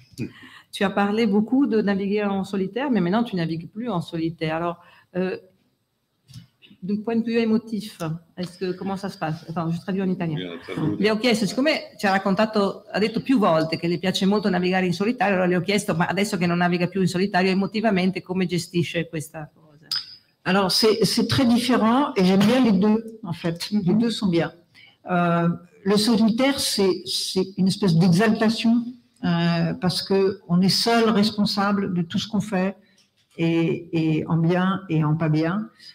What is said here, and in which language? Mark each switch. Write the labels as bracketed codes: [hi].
[fr] Tu as parlé beaucoup de naviguer en solitaire, mais maintenant tu navigues plus en solitaire. Alors, d'un point de vue émotif, comment ça se passe? Attends, je traduis en italien. [it] Le ho chiesto, siccome ci ha raccontato, ha detto più volte che le piace molto navigare in solitario, allora le ho chiesto, ma adesso che non naviga più in solitario, emotivamente come gestisce questa cosa? [fr] Alors, c'est très différent et j'aime bien les deux, en fait. Mm-hmm. Les deux sont bien. Le solitaire, c'est une espèce d'exaltation parce qu'on est seul responsable de tout ce qu'on fait et en bien et en pas bien.